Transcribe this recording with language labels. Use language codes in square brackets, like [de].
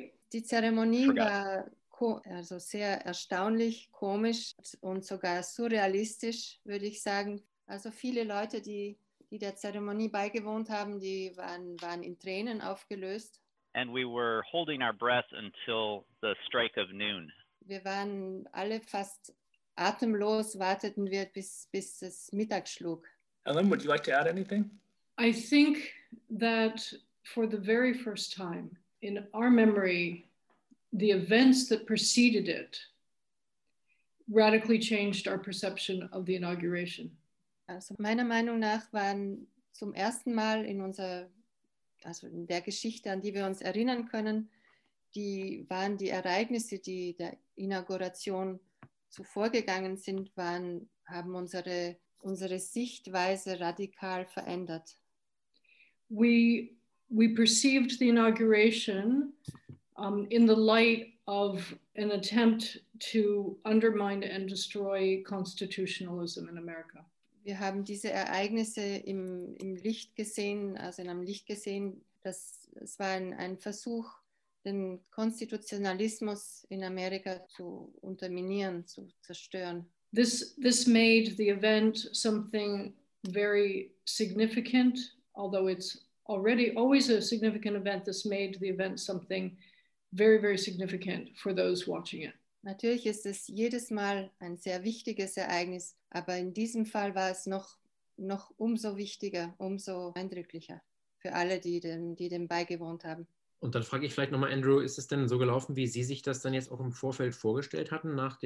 [de] Die Zeremonie war sehr erstaunlich, komisch und sogar surrealistisch, würde ich sagen. Also viele Leute, die der Zeremonie beigewohnt haben, die waren in Tränen aufgelöst. [en] And we were holding our breath until the strike of noon. [de] Wir waren alle fast atemlos, warteten wir bis es Mittag schlug. [en] Ellen, would you like to add anything? I think that for the very first time in our memory, the events that preceded it radically changed our perception of the inauguration. [de] Also meiner Meinung nach waren zum ersten Mal in unserer in der Geschichte, an die wir uns erinnern können, die waren die Ereignisse, die der Inauguration zuvor gegangen sind, haben unsere Sichtweise radikal verändert. [en] We perceived the inauguration in the light of an attempt to undermine and destroy constitutionalism in America. [de] Wir haben diese Ereignisse im Licht gesehen, also in einem Licht gesehen, dass es war ein Versuch, den Konstitutionalismus in Amerika zu unterminieren, zu zerstören. [en] This made the event something very significant, although it's already always a significant event. This made the event something very, very significant for those watching it. [de] Natürlich ist es jedes Mal ein sehr wichtiges Ereignis, aber in diesem Fall war es noch umso wichtiger, umso eindrücklicher für alle, die dem beigewohnt haben. Und dann frage ich vielleicht nochmal, Andrew, ist es denn so gelaufen, wie Sie sich das dann jetzt auch im Vorfeld vorgestellt hatten?